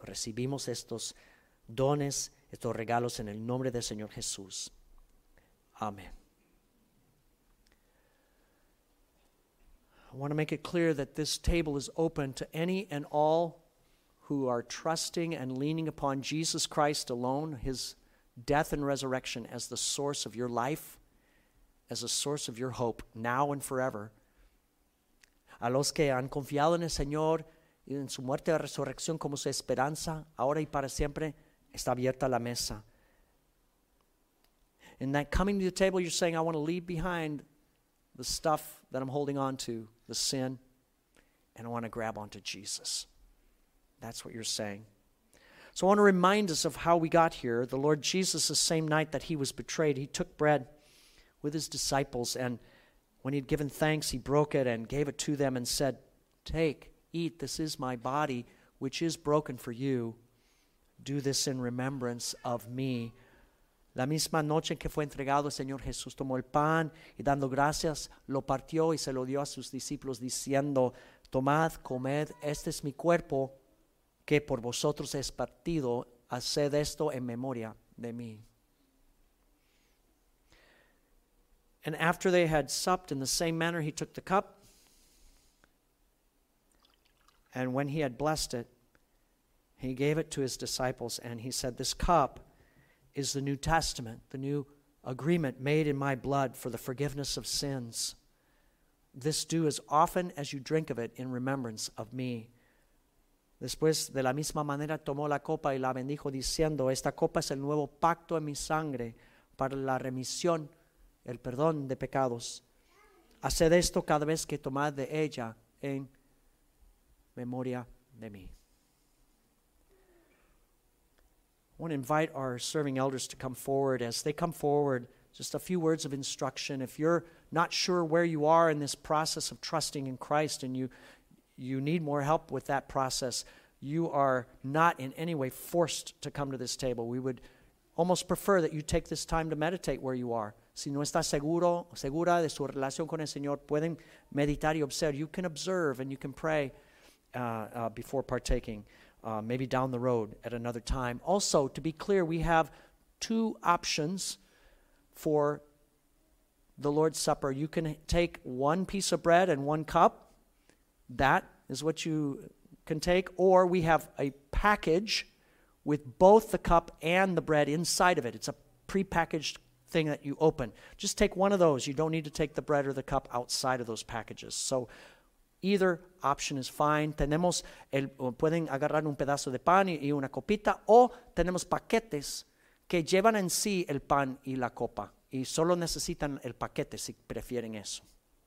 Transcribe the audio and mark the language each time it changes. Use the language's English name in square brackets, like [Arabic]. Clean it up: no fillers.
[Spanish] Recibimos estos dones, estos regalos en el nombre del Señor Jesús. Amén. [English] I want to make it clear that this table is open to any and all who are trusting and leaning upon Jesus Christ alone, his death and resurrection as the source of your life, as a source of your hope, now and forever. [Spanish] A los que han confiado en el Señor y en su muerte y resurrección como su esperanza, ahora y para siempre, está abierta la mesa. [English] In that coming to the table, you're saying, I want to leave behind the stuff that I'm holding on to, the sin, and I want to grab onto Jesus. That's what you're saying. So I want to remind us of how we got here. The Lord Jesus, the same night that he was betrayed, he took bread with his disciples, and when he had given thanks, he broke it and gave it to them and said, take, eat, this is my body, which is broken for you. Do this in remembrance of me. [Spanish] La misma noche en que fue entregado, el Señor Jesús tomó el pan y dando gracias, lo partió y se lo dio a sus discípulos diciendo, tomad, comed, este es mi cuerpo, que por vosotros es partido, haced esto en memoria de mí. [English] And after they had supped in the same manner, he took the cup. And when he had blessed it, he gave it to his disciples, and he said, this cup is the New Testament, the new agreement made in my blood for the forgiveness of sins. This do as often as you drink of it in remembrance of me. [Spanish] Después, de la misma manera, tomó la copa y la bendijo diciendo, esta copa es el nuevo pacto en mi sangre para la remisión, el perdón de pecados. Haced esto cada vez que tomad de ella en memoria de mí. [English] I want to invite our serving elders to come forward. As they come forward, just a few words of instruction. If you're not sure where you are in this process of trusting in Christ and you need more help with that process, you are not in any way forced to come to this table. We would almost prefer that you take this time to meditate where you are. [Spanish] Si no estás seguro o segura de su relación con el Señor, pueden meditar y observar. [English] You can observe and you can pray before partaking, maybe down the road at another time. Also, to be clear, we have two options for the Lord's Supper. You can take one piece of bread and one cup. That is what you can take. Or we have a package with both the cup and the bread inside of it. It's a prepackaged thing that you open. Just take one of those. You don't need to take the bread or the cup outside of those packages. So either option is fine. [Spanish] Tenemos el, pueden agarrar un pedazo de pan y una copita, o tenemos paquetes que llevan en sí el pan y la copa. Y solo necesitan el paquete si prefieren eso.